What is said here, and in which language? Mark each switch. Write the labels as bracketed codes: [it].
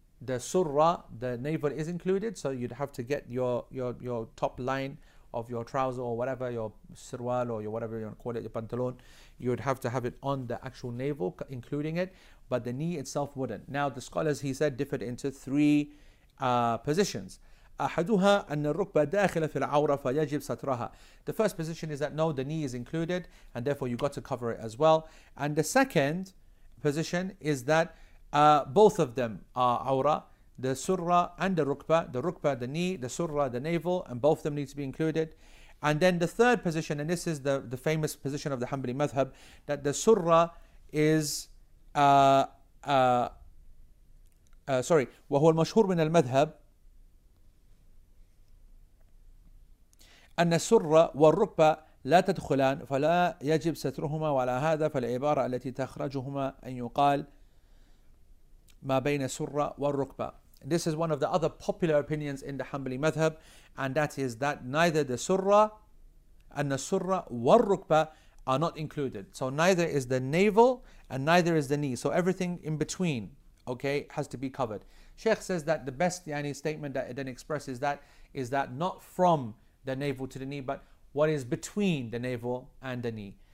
[en] The surah, the navel is included, so you'd have to get your top line of your trouser or whatever, your sirwal or your whatever you want to call it, your pantaloon, you would have to have it on the actual navel, including it, but the knee itself wouldn't. Now the scholars, he said, differed into three positions. [ar] أحدها أن الركبة داخلة في العورة فيجب سترها. [en] The first position is that no, the knee is included, and therefore you got to cover it as well. And the second position is that both of them are awra, the surah and the rukba, the knee, the surah, the navel, and both of them need to be included. And then the third position, and this is the famous position of the Hanbali madhab, that the surah is, sorry, [ar] وهو المشهور من المذهب أن السرة والركبة لا تدخلان فلا يجب سترهما وعلى هذا فالعبارة التي تخرجهما أن يقال ما بين السرة والركبة. [en] This is one of the other popular opinions in the Hanbali madhab, and that is that neither the surah and the surah والركبه are not included. So neither is the navel and neither is the knee. So everything in between, okay, has to be covered. Sheikh says that the best yani statement that it then expresses that is that not from the navel to the knee, but what is between the navel and the knee.